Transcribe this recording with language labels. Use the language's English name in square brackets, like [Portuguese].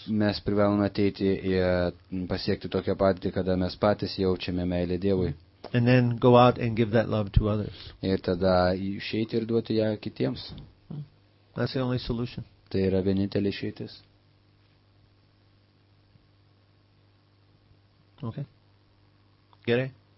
[Lithuanian] Mes privalome ateiti ir pasiekti tokią patį, kada mes patys jaučiame meilę Dievui. [English] And then go out and give that love to others. [Lithuanian] Ir tada išeiti ir duoti ją kitiems. [English] That's the only solution. [Lithuanian] Tai yra vienintelė išeitis. Okay. Gerai.